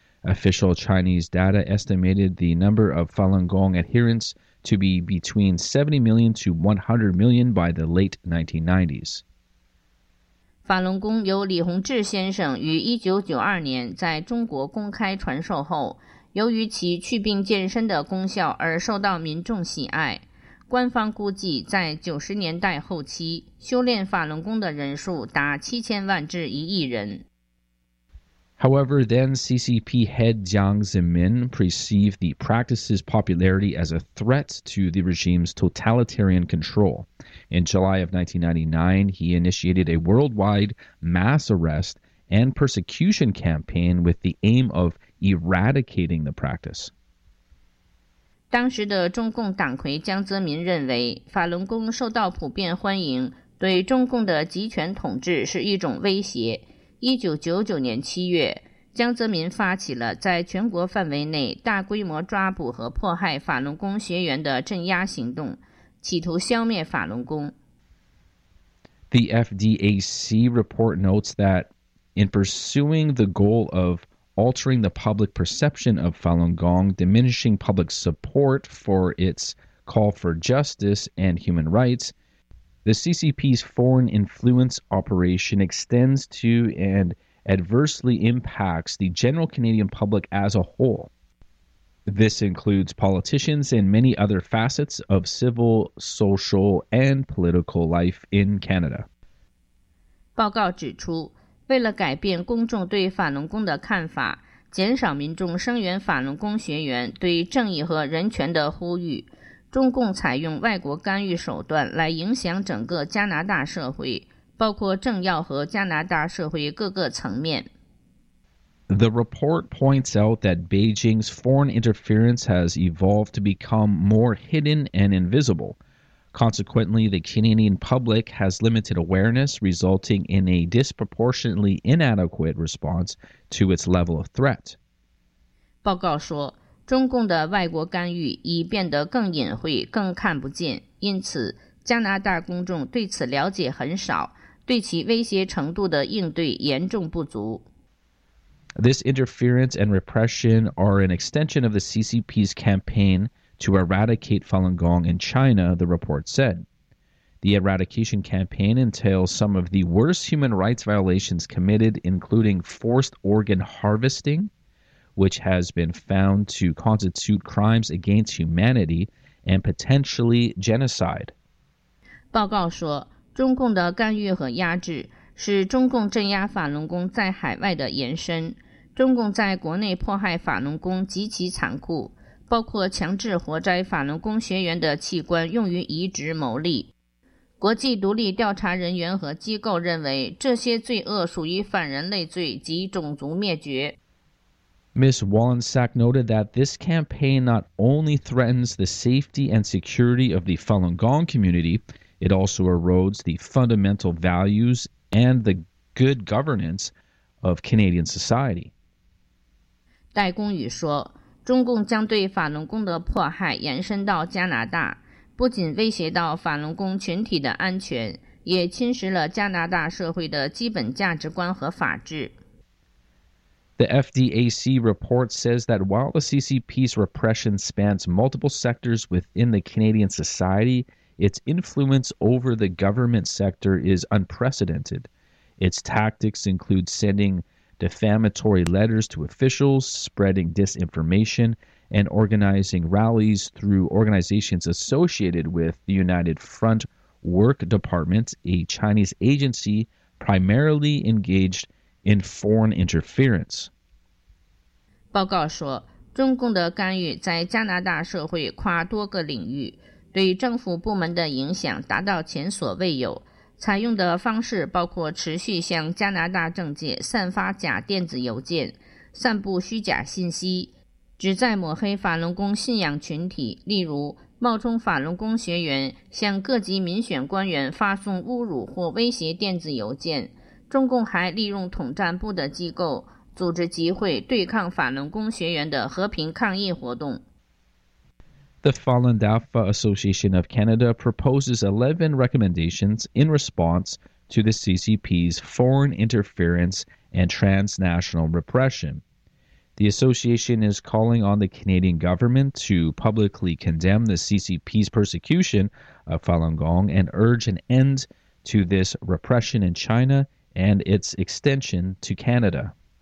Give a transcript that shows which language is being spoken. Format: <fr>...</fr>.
<en>Official Chinese data estimated the number of Falun Gong adherents to be between 70 million to 100 million by the late 1990s.</en> <zh>法轮功由李洪志先生于1992年在中国公开传授后，由于其去病健身的功效而受到民众喜爱。官方估计在90年代后期，修炼法轮功的人数达7000万至1亿人。</zh> <en>However, then CCP head Jiang Zemin perceived the practice's popularity as a threat to the regime's totalitarian control. In July of 1999, he initiated a worldwide mass arrest and persecution campaign with the aim of eradicating the practice.</en> <zh>当时的中共党魁江泽民认为，法轮功受到普遍欢迎，对中共的集权统治是一种威胁。 1999年7月，江泽民发起了在全国范围内大规模抓捕和迫害法轮功学员的镇压行动，企图消灭法轮功。</zh> <en>The FDAC report notes that in pursuing the goal of altering the public perception of Falun Gong, diminishing public support for its call for justice and human rights, the CCP's foreign influence operation extends to and adversely impacts the general Canadian public as a whole. This includes politicians and many other facets of civil, social, and political life in Canada.</en> <zh>报告指出，为了改变公众对法轮功的看法，减少民众声援法轮功学员对正义和人权的呼吁，中共采用外国干预手段来影响整个加拿大社会，包括政要和加拿大社会各个层面。</zh> <en>The report points out that Beijing's foreign interference has evolved to become more hidden and invisible. Consequently, the Canadian public has limited awareness, resulting in a disproportionately inadequate response to its level of threat.</en> <zh>报告说，中共的外国干预已变得更隐晦、更看不见，因此加拿大公众对此了解很少，对其威胁程度的应对严重不足。</zh> <en>This interference and repression are an extension of the CCP's campaign to eradicate Falun Gong in China, the report said. The eradication campaign entails some of the worst human rights violations committed, including forced organ harvesting, which has been found to constitute crimes against humanity and potentially genocide.</en> <zh>报告说，中共的干预和压制是中共镇压法轮功在海外的延伸。中共在国内迫害法轮功极其残酷，包括强制活摘法轮功学员的器官用于移植牟利。国际独立调查人员和机构认为这些罪恶属于反人类罪及种族灭绝。</zh> <en>Ms. Wallensack noted that this campaign not only threatens the safety and security of the Falun Gong community, it also erodes the fundamental values and the good governance of Canadian society.</en> <zh>戴公宇说，中共将对法轮功的迫害延伸到加拿大，不仅威胁到法轮功群体的安全，也侵蚀了加拿大社会的基本价值观和法治。</zh> <en>The FDAC report says that while the CCP's repression spans multiple sectors within the Canadian society, its influence over the government sector is unprecedented. Its tactics include sending defamatory letters to officials, spreading disinformation, and organizing rallies through organizations associated with the United Front Work Department, a Chinese agency primarily engaged in foreign interference.</en> <zh>报告说，中共的干预在加拿大社会跨多个领域，对政府部门的影响达到前所未有。采用的方式包括持续向加拿大政界散发假电子邮件，散布虚假信息，旨在抹黑法轮功信仰群体，例如冒充法轮功学员向各级民选官员发送侮辱或威胁电子邮件。中共还利用统战部的机构组织集会，对抗法轮功学员的和平抗议活动。</zh> <en>The Falun Dafa Association of Canada proposes 11 recommendations in response to the CCP's foreign interference and transnational repression. The association is calling on the Canadian government to publicly condemn the CCP's persecution of Falun Gong and urge an end to this repression in China and its extension to Canada.</en>